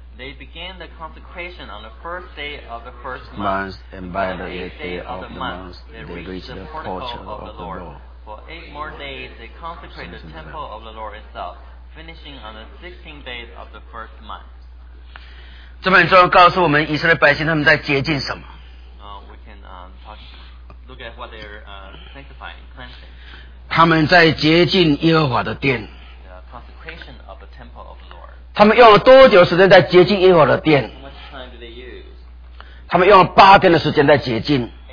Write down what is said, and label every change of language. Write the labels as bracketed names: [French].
[English] They began the consecration on the first day of the first month and by the eighth day of the month they reached the portico of the Lord for eight more days they consecrated the temple of the Lord itselffinishing on the 16th day of the first month. [Chinese] 这本书告诉我们以色列百姓他们在洁净什么。 [English] We can look at what they're sanctifying, cleansing. [Chinese] 他们在洁净耶和华的殿。 [English] Consecration of the temple of the Lord. [Chinese] 他们用了多久时间在洁净耶和华的殿 [English] How much time do they use? [Chinese] 他们用了八天的时间在洁净。